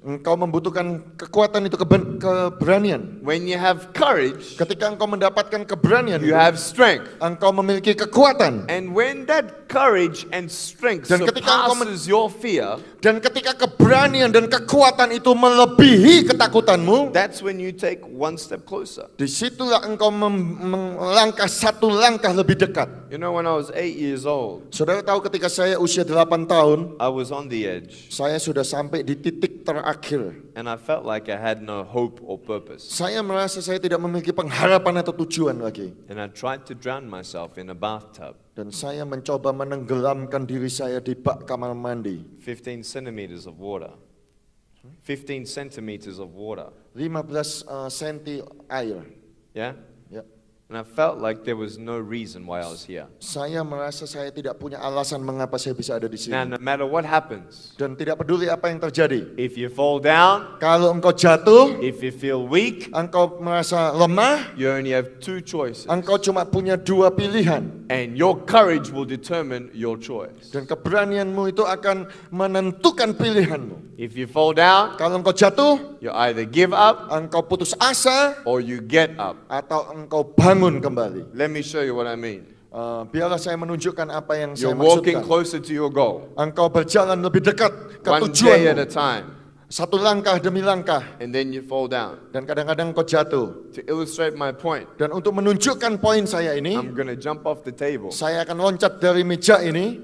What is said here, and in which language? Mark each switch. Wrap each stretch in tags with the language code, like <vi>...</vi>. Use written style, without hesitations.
<id>Engkau membutuhkan kekuatan itu keberanian.</id> <en>When you have courage,</en> <id>ketika engkau mendapatkan keberanian,</id> <en>you have strength.</en> <id>Engkau memiliki kekuatan.</id> <en>And when that courage and strength surpasses your fear,</en> <id>dan ketika keberanian dan kekuatan itu melebihi ketakutanmu,</id> <en>that's when you take one step closer.</en> <id>Disitulah engkau melangkah satu langkah lebih dekat.</id> <en>You know, when I was 8 years old,</en> <id>saudara tahu ketika saya usia 8 tahun,</id> <en>I was on the edge.</en> <id>Saya sudah sampai di titik terakhir.</id> <en>And I felt like I had no hope or purpose.</en> <id>Saya merasa saya tidak memiliki pengharapan atau tujuan lagi.</id> <en>And I tried to drown myself in a bathtub.</en> <id>Dan saya mencoba menenggelamkan diri saya di bak kamar mandi.</id> <en>15 centimeters of water. 15 centimeters of water.</en> <id>15 senti air.</id> <en>Yeah? Yeah. And I felt like there was no reason why I was here.</en> <id>Saya merasa saya tidak punya alasan mengapa saya bisa ada di sini.</id> <en>Now, no matter what happens.</en> <id>Dan tidak peduli apa yang terjadi.</id> <en>If you fall down.</en> <id>Kalau engkau jatuh.</id> <en>If you feel weak.</en> <id>Engkau merasa lemah.</id> <en>You only have two choices.</en> <id>Engkau cuma punya dua pilihan.</id> <en>And your courage will determine your choice.</en> <id>Dan keberanianmu itu akan menentukan pilihanmu.</id> <en>If you fall down,</en> <id>kalau engkau jatuh,</id> <en>you either give up,</en> <id>engkau putus asa,</id> <en>or you get up,</en> <id>atau engkau bangun kembali.</id> <en>Let me show you what I mean.</en> <id>Biarlah saya menunjukkan apa yang saya maksudkan.</id> <en>You're walking closer to your goal.</en> <id>Engkau berjalan lebih dekat ke tujuanmu.</id> <en>One day at a time.</en> <id>Satu langkah demi langkah.</id> <en>And then you fall down.</en> <id>Dan kadang-kadang kau jatuh.</id> <en>To illustrate my point.</en> <id>Dan untuk menunjukkan poin saya ini.</id> <en>I'm gonna jump off the table.</en> <id>Saya akan loncat dari meja ini.</id>